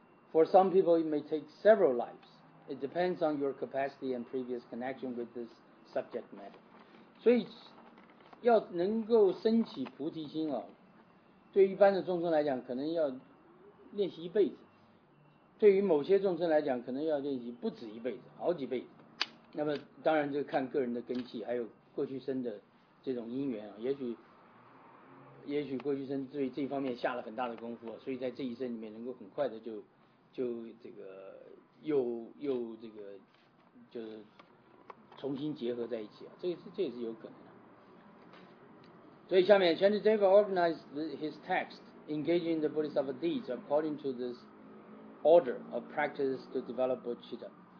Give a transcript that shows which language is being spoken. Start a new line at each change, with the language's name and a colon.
English: For some people, it may take several lives. It depends on your capacity and previous connection with this subject matter.
Chinese: 所以要能够升起菩提心啊，对一般的众生来讲，可能要练习一辈子；对于某些众生来讲，可能要练习不止一辈子，好几辈子。那么当然就看个人的根器，还有过去生的这种因缘啊。也许过去生对这方面下了很大的功夫啊，所以在这一生里面能够很快的就这个又这个就是重新结合在一起啊，这也是有可能的。所以下面
English: Chandradeva organized his text engaging the Bodhisattva deeds according to this order of practice to develop Bodhicitta.